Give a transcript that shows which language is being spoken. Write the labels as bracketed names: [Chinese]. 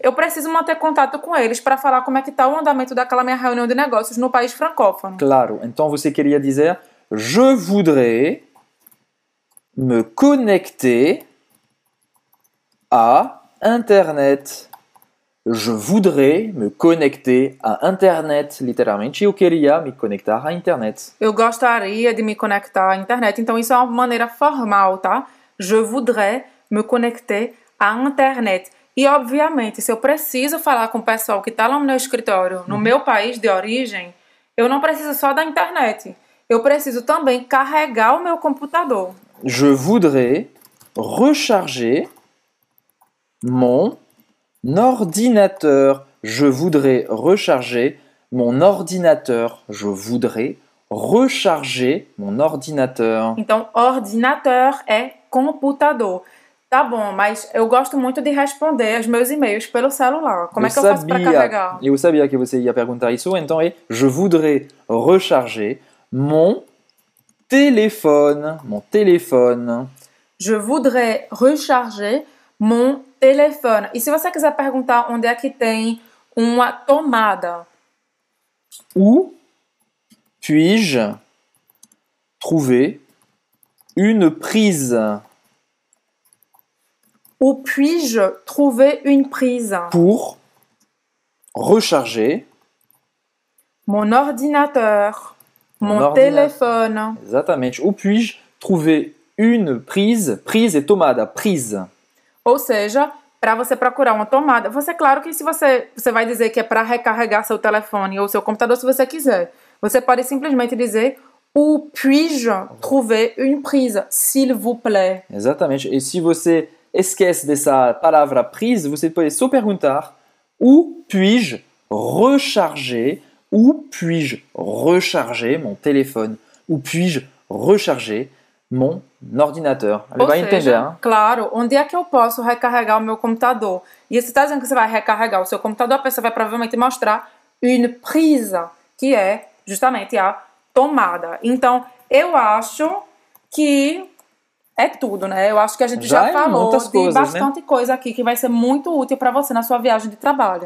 [Portuguese] Eu preciso manter contato com eles para falar como é que está o andamento daquela minha reunião de negócios no país francófono. Claro. Então, você queria dizer, [French] je voudrais me connecter à internet. Je voudrais me connecter à internet, [Portuguese] literalmente. Eu queria me conectar à internet. Eu gostaria de me conectar à internet. Então, isso é uma maneira formal, tá? [French] Je voudrais me connecter à internet. [Portuguese] E, obviamente, se eu preciso falar com o pessoal que está lá no meu escritório, no meu país de origem, eu não preciso só da internet. Eu preciso também carregar o meu computador. [French] Je voudrais recharger mon... ordinateur, je voudrais recharger mon ordinateur. Je voudrais recharger mon ordinateur. [Portuguese] Então, ordinateur é computador. Tá bom, mas eu gosto muito de responder os meus e-mails pelo celular. Como é que eu faço para carregar? Eu sabia que você ia perguntar isso. Então, é [French] je voudrais recharger mon téléphone. Mon téléphone. Je voudrais recharger mon telefone. [Portuguese] E se você quiser perguntar onde é que tem uma tomada? [French] Où puis-je trouver une prise? Où puis-je trouver une prise pour recharger mon ordinateur, mon téléphone. Exactement. Où puis-je trouver une prise? Prise et tomada. Prise. [Portuguese] Ou seja, para você procurar uma tomada. Você, claro que se você, você vai dizer que é para recarregar seu telefone ou seu computador, se você quiser. Você pode simplesmente dizer [French] où puis-je trouver une prise, s'il vous plaît. [Portuguese] Exatamente. E se você esquece dessa palavra prise, você pode só perguntar [French] où puis-je recharger, où puis-je recharger mon téléphone, où puis-je recharger mon ordinateur. [Portuguese] Ou vai entender, seja, hein? Claro, onde é que eu posso recarregar o meu computador? E você está dizendo que você vai recarregar o seu computador, a pessoa vai provavelmente mostrar une prise, que é justamente a tomada. Então, eu acho que é tudo, né? Eu acho que a gente já falou de coisas, bastante, né? Coisa aqui que vai ser muito útil para você na sua viagem de trabalho.